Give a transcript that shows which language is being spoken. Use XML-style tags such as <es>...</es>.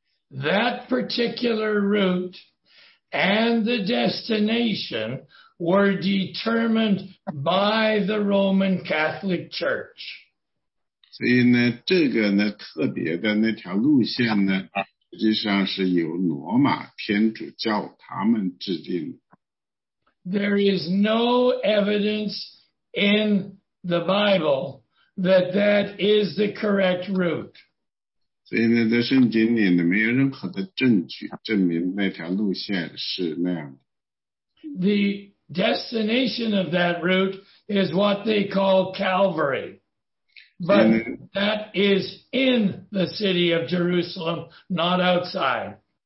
<en>That particular route and the destination were determined by the Roman Catholic Church.</en> <zh>所以呢，这个呢特别的那条路线呢，实际上是由罗马天主教他们制定的。</zh> <en>There is no evidence in the Bible that that is the correct route.</en> <zh>所以呢，在圣经里呢，没有任何的证据证明那条路线是那样的。</zh> <en>The destination of that route is what they call Calvary. But that is in the city of Jerusalem, not outside.</en>